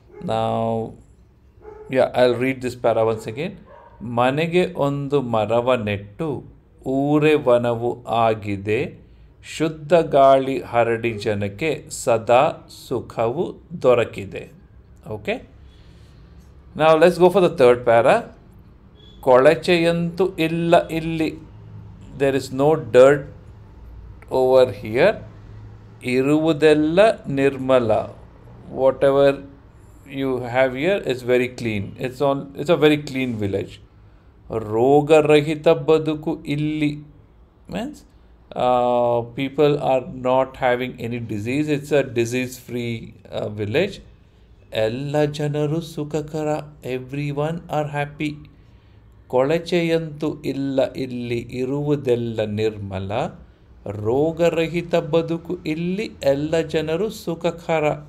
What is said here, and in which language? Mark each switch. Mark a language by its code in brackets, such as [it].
[en] ನಾವು ಯಾ I read this para once again. [kn] ಮನೆಗೆ ಒಂದು ಮರವ ನೆಟ್ಟು, ಊರೆ ವನವು ಆಗಿದೆ, ಶುದ್ಧ ಗಾಳಿ ಹರಡಿ ಜನಕ್ಕೆ, ಸದಾ ಸುಖವು ದೊರಕಿದೆ. [en] Okay, ನಾವು let's go for the third para. [kn] ಕೊಳಚೆಯಂತೂ ಇಲ್ಲ ಇಲ್ಲಿ, [en] there is no dirt over here. [kn] Iruvudella nirmala, [en] whatever you have here is very clean. It's a very clean village. [kn] Roga rahita baduku illi [en] means people are not having any disease. It's a disease free village. [kn] Ella janaru sukakara, [en] everyone are happy. [kn] ಕೊಳಚೆಯಂತೂ ಇಲ್ಲ ಇಲ್ಲಿ, ಇರುವುದೆಲ್ಲ ನಿರ್ಮಲ, ರೋಗರಹಿತ ಬದುಕು ಇಲ್ಲಿ, ಎಲ್ಲ ಜನರು ಸುಖಕರ.